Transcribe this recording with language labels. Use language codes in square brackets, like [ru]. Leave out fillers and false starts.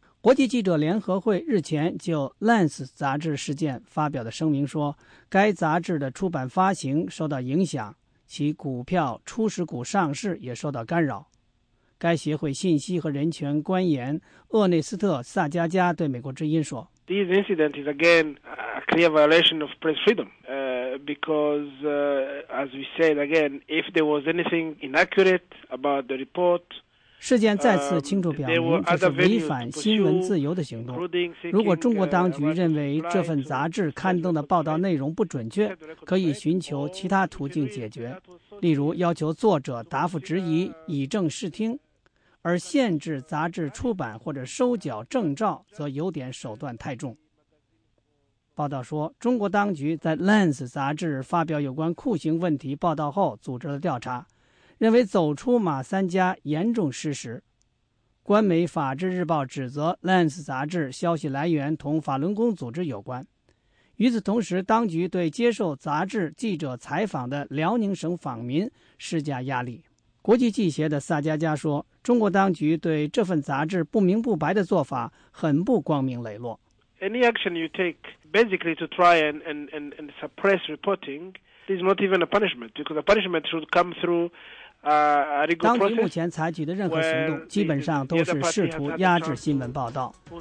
[zh] 国际记者联合会日前就 Lens 杂志事件发表的声明说，该杂志的出版发行受到影响，其股票初始股上市也受到干扰。该协会信息和人权官员厄内斯特·萨加加对美国之音说， [en] This incident is again a clear violation of press freedom, because, as we said again, if there was anything inaccurate about the report, [zh] 事件再次清楚表明这是违反新闻自由的行动。如果中国当局认为这份杂志刊登的报道内容不准确，可以寻求其他途径解决，例如要求作者答复质疑，以正视听。而限制杂志出版或者收缴证照则有点手段太重。报道说，中国当局在 Lens 杂志发表有关酷刑问题报道后组织了调查，认为走出马三家严重失实。官媒法制日报指责 Lens 杂志消息来源同法轮功组织有关。与此同时，当局对接受杂志记者采访的辽宁省访民施加压力。国际记协的萨加加说，中国当局对这份杂志不明不白的做法很不光明磊落。 [en] Any action you take basically to try and suppress reporting is not even a punishment, because a punishment should come through a legal process. [zh] 当局目前采取的任何行动基本上都是试图压制新闻报道。